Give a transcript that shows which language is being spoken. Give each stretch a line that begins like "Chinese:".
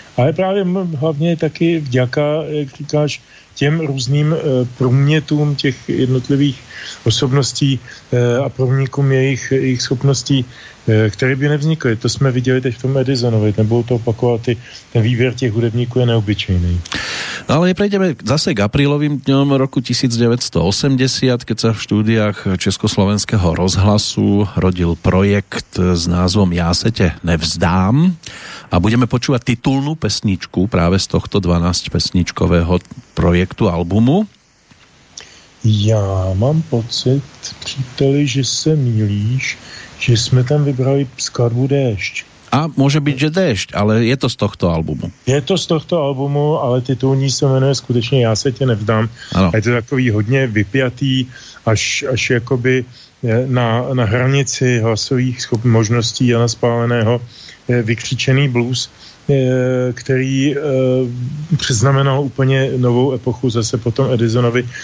Czech: Ale právě hlavně taky vďaka, jak říkáš, těm různým průmětům těch jednotlivých osobností a průmětům jejich schopností, které by nevznikly. To jsme viděli teď v tom Edisonovi, nebudu to opakovat, ten výběr těch hudebníků je neobyčejný.
Slovak: No ale prejdeme zase k aprílovým dňom roku 1980, keď sa v štúdiách Československého rozhlasu rodil projekt s názvom Já se tě nevzdám a budeme počúvať titulnú pesničku práve z tohto 12-pesničkového projektu albumu.
Czech: Já mám pocit, příteli, že se mýlíš, že jsme tam vybrali skladbu Déšť. A může být, že Déšť, ale je to z tohto albumu. Je to z tohto albumu, ale titulní se jmenuje skutečně Já se tě nevzdám. Ano. Je to takový hodně vypjatý, až jakoby na hranici hlasových možností Jana Spáleného vykřičený blues, který přiznamenal úplně novou epochu zase potom Edisonovi.